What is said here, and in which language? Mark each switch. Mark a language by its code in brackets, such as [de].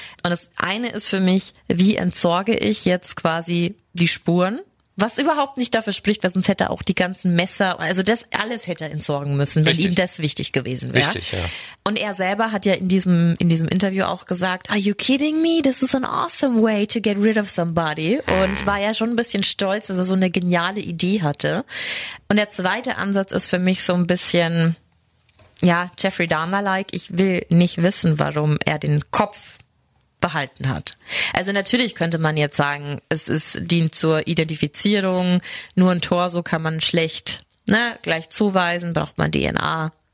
[de] Und das eine ist für mich, wie entsorge ich jetzt quasi die Spuren? Was überhaupt nicht dafür spricht, weil sonst hätte er auch die ganzen Messer, also das alles hätte er entsorgen müssen, wenn ihm das wichtig gewesen wäre. Richtig, ja. Und er selber hat ja in diesem Interview auch gesagt, [en] are you kidding me? This is an awesome way to get rid of somebody. [de] Und war ja schon ein bisschen stolz, dass er so eine geniale Idee hatte. Und der zweite Ansatz ist für mich so ein bisschen, ja, Jeffrey Dahmer-like. Ich will nicht wissen, warum er den Kopf behalten hat. Also natürlich könnte man jetzt sagen, es dient zur Identifizierung, nur ein Torso kann man schlecht, ne, gleich zuweisen, braucht man DNA.